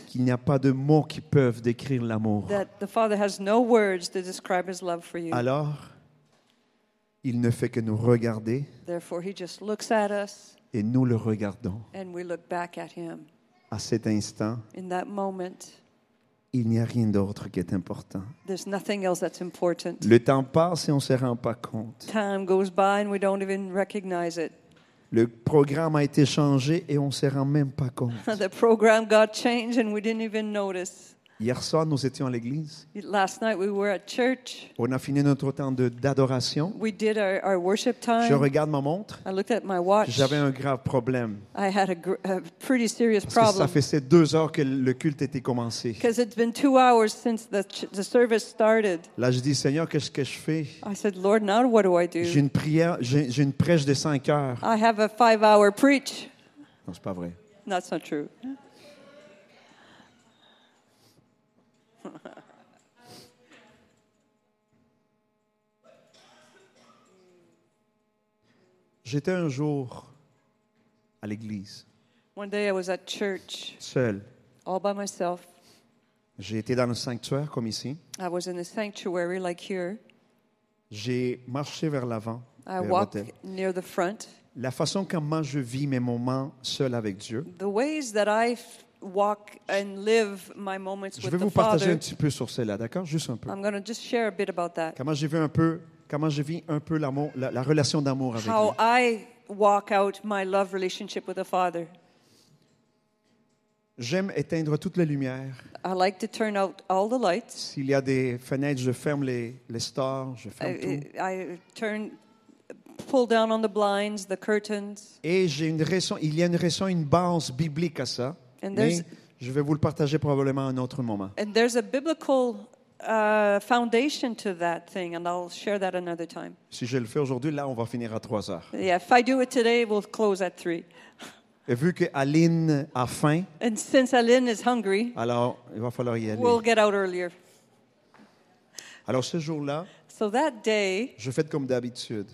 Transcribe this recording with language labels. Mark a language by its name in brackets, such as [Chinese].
[French] Qu'il n'y a pas de mots qui peuvent décrire l'amour. [English] That the Father has no words to describe his love for you. [French] Alors. Il ne fait que nous regarder. [English] Therefore, he just looks at us, [French] et nous le regardons. [English] And we look back at him. [French] À cet instant, [English] in that moment, [French] il n'y a rien d'autre qui est important. [English] There's nothing else that's important. [French] Le temps passe et on ne se rend pas compte. [English] Time goes by and we don't even recognize it. [French] Le programme a été changé et on ne se rend même pas compte. [English] The program got changed and we didn't even notice. [French] Hier soir, nous étions à l'église. [English] Last night we were at church. [French] On a fini notre temps d'adoration. [English] We did our worship time. [French] Je regarde ma montre. [English] I looked at my watch. [French] J'avais un grave problème. [English] I had a pretty serious [French] parce [English] problem. [French] Que ça faisait deux heures que le culte était commencé. [English] Because it's been two hours since the service started. [French] Là, je dis, Seigneur, qu'est-ce que je fais? [English] I said, Lord, now what do I do? [French] J'ai une prêche de cinq heures. [English] I have a five-hour preach. [French] Non, c'est pas vrai. [English] That's not true. [French] J'étais un jour à l'église. [English] One day I was at church. [French] Seul. [English] All by myself. [French] J'ai été dans le sanctuaire comme ici. [English] I was in the sanctuary like here. [French] J'ai marché vers l'avant. [English] I walked near the front. [French] La façon comment je vis mes moments seul avec Dieu. [English] The ways that I walk and live my moments with the Father. [French] Je vais vous partager un petit peu sur cela, d'accord? Juste un peu. [English] I'm going to just share a bit about that. [French] Comment j'ai vu un peu, comment je vis un peu l'amour, la relation d'amour avec [English] how [French] lui. [English] I walk out my love relationship with the Father. [French] J'aime éteindre toutes les lumières. [English] I like to turn out all the lights. [French] S'il y a des fenêtres, je ferme les stores, je ferme tout. [English] Pull down on the blinds, the curtains. [French] Et j'ai une raison, il y a une raison, une base biblique à ça. [English] And [French] mais je vais vous le partager probablement à un autre moment. [English] And there's a biblical foundation to that thing, and I'll share that another time. [French] Si je le fais aujourd'hui, là, on va finir à 3 heures. [English] Yeah, if I do it today, we'll close at 3. [French] Et vu que Aline a faim. [English] And since Aline is hungry. [French] Alors, il va falloir y aller. [English] We'll get out earlier. [French] Alors, ce jour-là. [English] So that day. [French] Je fais comme d'habitude.